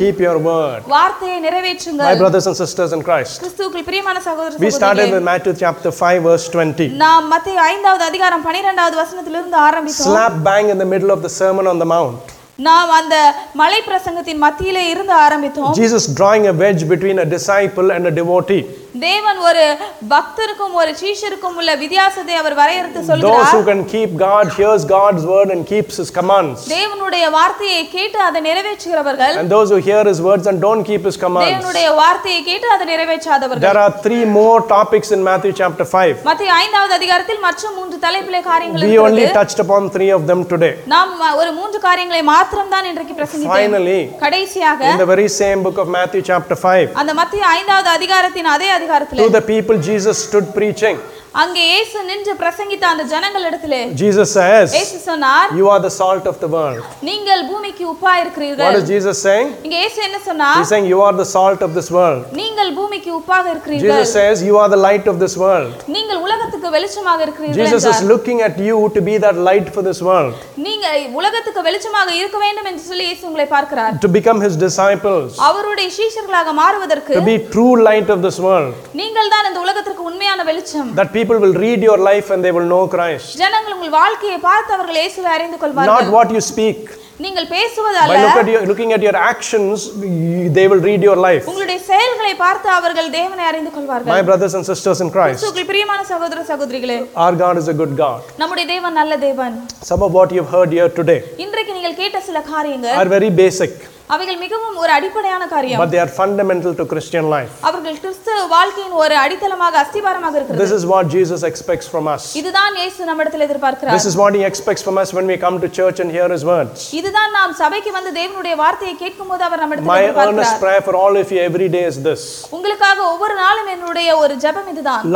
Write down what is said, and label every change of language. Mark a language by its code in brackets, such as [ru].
[en] Keep your word. [ta] வார்த்தையை நிறைவேற்றுங்கள். [en] My brothers and sisters in Christ. We started with Matthew chapter 5 verse 20. [ta] நாம் மத்தேயு 5வது அதிகாரம் 12வது வசனத்திலிருந்து ஆரம்பித்தோம். [en] Slap bang in the middle of the sermon on the mount. [ta] நாம் அந்த மலை பிரசங்கத்தின் மத்தியிலே இருந்து ஆரம்பித்தோம். [en] Jesus drawing a wedge between a disciple and a devotee. [ta] தேவன் ஒரு பக்தருக்கும் ஒரு சீஷருக்கும் உள்ள வித்தியாசத்தை அவர் வரையறுத்து சொல்கிறார். [en] Those who can keep God hears God's word and keeps his commands. [ta] தேவனுடைய வார்த்தையை கேட்டு அதை நிறைவேற்றுகிறவர்கள். [en] And those who hear his words and don't keep his commands. [ta] தேவனுடைய வார்த்தையை கேட்டு அதை நிறைவேற்றாதவர்கள். [en] There are three more topics in Matthew chapter 5. [ta] மத்தேயு 5வது அதிகாரத்தில் மற்ற மூன்று தலைப்பிலே காரியங்கள் இருக்கு. [en] We only touched upon three of them today. [ta] நாம் ஒரு மூன்று காரியங்களை மாத்திரம் தான் இன்றைக்கு பிரசங்கித்தோம். [en] Finally. [ta] கடைசியாக [en] In the very same book of Matthew chapter 5. [ta] அந்த மத்தேயு 5வது அதிகாரத்தின் அதே [en] To the people Jesus stood preaching. [ta] அங்கே இயேசு நின்று பிரசங்கித்த அந்த ஜனங்கள் இடத்திலே [en] Jesus says [ta] இயேசு சொன்னார் [en] You are the salt of the world. [ta] நீங்கள் பூமிக்கு உப்பாய் இருக்கிறீர்கள். [en] What is Jesus saying? [ta] இங்கே இயேசு என்ன சொன்னார்? [en] He's saying you are the salt of this world. [ta] நீங்கள் பூமிக்கு உப்பாக இருக்கிறீர்கள். [en] Jesus says you are the light of this world. [ta] நீங்கள் உலகத்துக்கு வெளிச்சமாக இருக்கிறீர்கள். [en] Jesus is looking at you to be that light for this world. [ta] நீங்க உலகத்துக்கு வெளிச்சமாக இருக்க வேண்டும் என்று சொல்லி இயேசு உங்களை பார்க்கிறார். [en] To become his disciples. [ta] அவருடைய சீஷர்களாக மாறுவதற்கு [en] To be true light of this world. [ta] நீங்கள் தான் இந்த உலகத்துக்கு உண்மையான வெளிச்சம். [en] That people will read your life and they will know Christ [ta] ஜனங்கள் உங்கள் வாழ்க்கையை பார்த்து அவர்கள் இயேசுவை அறிந்து கொள்வார்கள் [en] not what you speak [ta] நீங்கள் பேசுவது அல்ல [en] by looking at your actions they will read your life [ta] உங்களுடைய செயல்களை பார்த்து அவர்கள் தேவனை அறிந்து கொள்வார்கள் [en] my brothers and sisters in Christ [ta] கிறிஸ்துவின் பிரியமான சகோதர சகோதரிகளே [en] our God is a good God [ta] நம்முடைய தேவன் நல்ல தேவன் [en] some of what you've heard here today [ta] இன்றைக்கு நீங்கள் கேட்ட சில காரியங்கள் [en] are very basic [ta] அவைகள் மிகவும் ஒரு அடிப்படையான காரியம் [en] but they are fundamental to Christian life [ta] அவர்கள் கிறிஸ்துவ வாழ்க்கையின் ஒரு அடித்தளமாக அஸ்திவாரமாக இருக்கிறது [en] this is what Jesus expects from us [ta] இதுதான் இயேசு நம்மிடத்தில் எதிர்பார்க்கிறார் [en] this is what he expects from us when we come to church and hear his words [ta] இதுதான் நாம் சபைக்கு வந்து தேவனுடைய வார்த்தையை கேட்கும்போது அவர் நம்மிடத்தில் எதிர்பார்க்கிறார் [en] my earnest prayer for all of you every day is this [ta] உங்களுக்காக ஒவ்வொரு நாளும் என்னுடைய ஒரு ஜெபம் இதுதான்